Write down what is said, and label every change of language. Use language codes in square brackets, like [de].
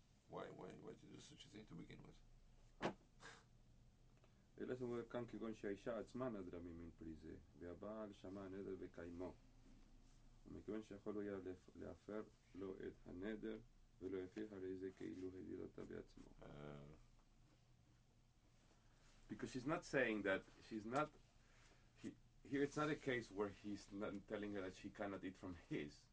[en] Why did you do such a thing to begin with? [he] אלא זאת אומרת כאן כגון שהאישה עצמה נדרה ממין פרי זה, והבעל שמע הנדר וקיימו. ומכיוון שיכול היה להפר לו את הנדר, ולא הפיר הרי זה כאילו הדיר אותה בעצמו. [en] Because she's not saying that, she's not, he, here it's not a case where he's not telling her that she cannot eat from his.